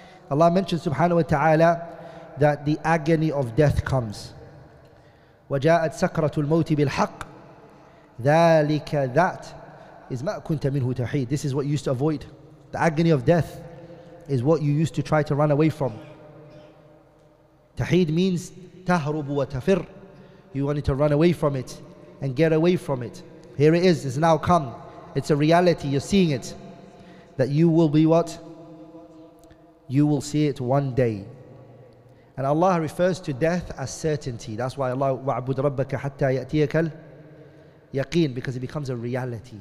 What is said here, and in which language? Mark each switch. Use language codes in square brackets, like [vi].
[en] Allah mentions, subhanahu wa ta'ala, that the agony of death comes. [ar] وَجَاءَتْ سَكْرَةُ الْمَوْتِ بِالْحَقِّ ذَلِكَ ذَاتْ is مَا كُنْتَ مِنْهُ تَحِيدْ. [en] This is what you used to avoid. The agony of death is what you used to try to run away from. [ar] تَحِيدْ means تَهْرُبُ وَتَفِرْ. [en] You wanted to run away from it and get away from it. Here it is, it's now come. It's a reality, you're seeing it. That you will be what? You will see it one day. And Allah refers to death as certainty. That's why Allah, وَعْبُدْ رَبَّكَ حَتَّى يَأْتِيَكَ الْيَقِينَ, because it becomes a reality.